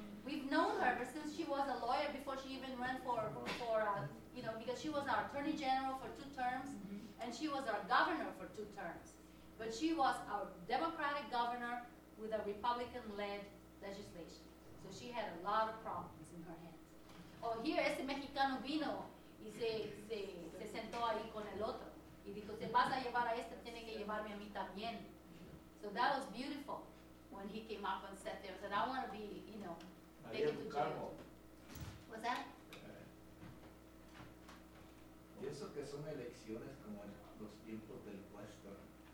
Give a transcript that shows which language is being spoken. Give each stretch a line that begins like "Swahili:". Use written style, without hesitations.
English: We've known her ever since she was a lawyer before she even ran for because she was our attorney general for 2 terms, and she was our governor for 2 terms. But she was our Democratic governor with a Republican-led legislation. So she had a lot of problems in her hands. Oh, here,
Spanish: ese Mexicano vino y se sentó ahí con el otro. Y dijo, se vas a llevar a este, tiene que llevarme a mí también.
English: So that was beautiful when he came up and sat there. Said, I want to be, you know, take it to jail. What's that?
Spanish: Y eso que son elecciones como en los tiempos del Western.